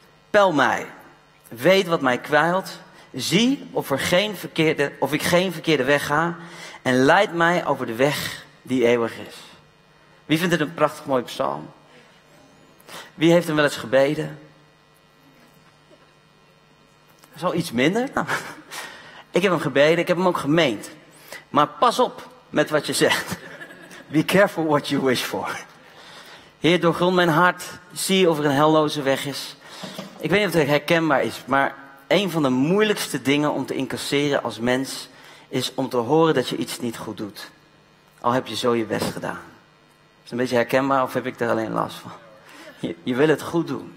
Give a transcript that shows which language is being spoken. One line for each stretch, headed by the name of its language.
Dutch: Peil mij, weet wat mij kwijlt, zie of, of ik geen verkeerde weg ga en leid mij over de weg die eeuwig is. Wie vindt het een prachtig mooi psalm? Wie heeft hem wel eens gebeden? Zo iets minder. Nou, ik heb hem gebeden, ik heb hem ook gemeend. Maar pas op met wat je zegt.
English: Be careful what you wish for.
Dutch: Heer, doorgrond mijn hart, zie of er een helloze weg is. Ik weet niet of het herkenbaar is, maar een van de moeilijkste dingen om te incasseren als mens is om te horen dat je iets niet goed doet. Al heb je zo je best gedaan. Is het een beetje herkenbaar of heb ik er alleen last van? Je wil het goed doen.